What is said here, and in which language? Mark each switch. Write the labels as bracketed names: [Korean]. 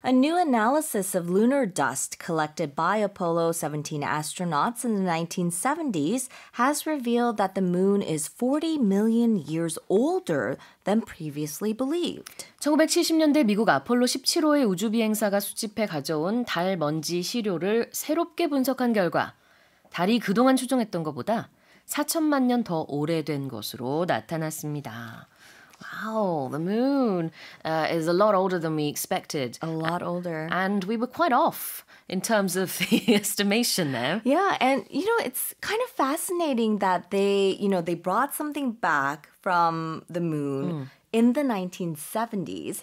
[English] A new analysis of lunar dust collected by Apollo 17 astronauts in the 1970s has revealed that the moon is 40 million years older than previously believed. [Korean] 1970년대 미국 아폴로 17호의 우주비행사가 수집해 가져온 달 먼지 시료를 새롭게 분석한 결과, 달이 그동안 추정했던 것보다 4천만 년 더 오래된 것으로 나타났습니다. [English] Wow, the moon is a lot older than we expected. A lot older. And we were quite off in terms of the estimation there. Yeah, and you know, it's kind of fascinating that they, you know, they brought something back from the moon in the 1970s,